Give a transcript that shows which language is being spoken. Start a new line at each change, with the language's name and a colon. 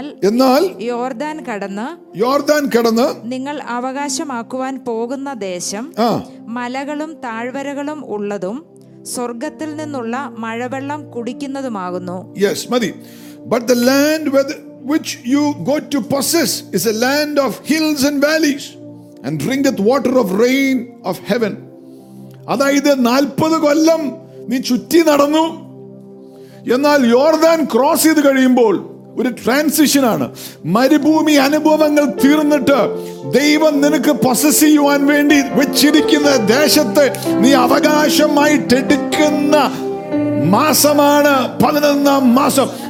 Malayalam: എന്നാൽ യോർദാൻ കടന്ന് നിങ്ങൾ അവകാശമാക്കുവാൻ പോകുന്ന ദേശം മലകളും താഴ്വരകളും ഉള്ളതും സ്വർഗത്തിൽ നിന്നുള്ള മഴവെള്ളം കുടിക്കുന്നതുമാകുന്നു. Yes, മതി.
English: But the land which you go to possess is a land of hills and valleys and drinketh water of rain of heaven.
Malayalam: അതായത് 40 കൊല്ലം നീ ചുറ്റി നടന്നു, എന്നാൽ യോർദാൻ ക്രോസ് ചെയ്ത് കഴിയുമ്പോൾ ഒരു ട്രാൻസിഷൻ ആണ്. മരുഭൂമി അനുഭവങ്ങൾ തീർന്നിട്ട് ദൈവം നിനക്ക് പൊസസ് ചെയ്യുവാൻ വേണ്ടി വെച്ചിരിക്കുന്ന ദേശത്തെ നീ അവകാശമായിട്ടെടുക്കുന്ന മാസമാണ് 11th മാസം.